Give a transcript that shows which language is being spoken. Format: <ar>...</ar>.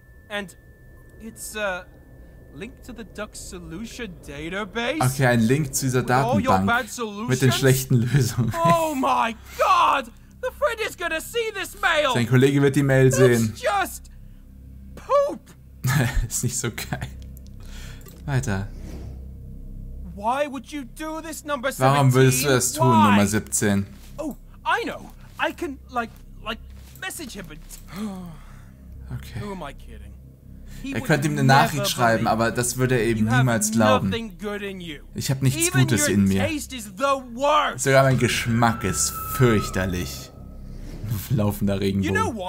<en>And it's a link to the duck solution database.</en> <de>Okay, ein Link zu dieser Datenbank mit den schlechten Lösungen.</de> <en>Oh my god! The friend is gonna see this mail.</en> <de>Sein Kollege wird die Mail</de> <en>That's</en> <de>sehen.</de> <en>Just poop.</en> <de>Ist nicht so geil. Weiter.</de> <en>Why would you do this number 17?</en> <de>Warum würdest du das tun,</de> <en>Why?</en> <de>Nummer 17?</de> <en>Oh, I know. I can like message him and Okay. Who am I kidding?</en> <de>Er könnte ihm eine Nachricht schreiben, aber das würde er eben niemals glauben. Ich habe nichts Gutes in mir. Sogar mein Geschmack ist fürchterlich. Laufender Regenbogen.</de>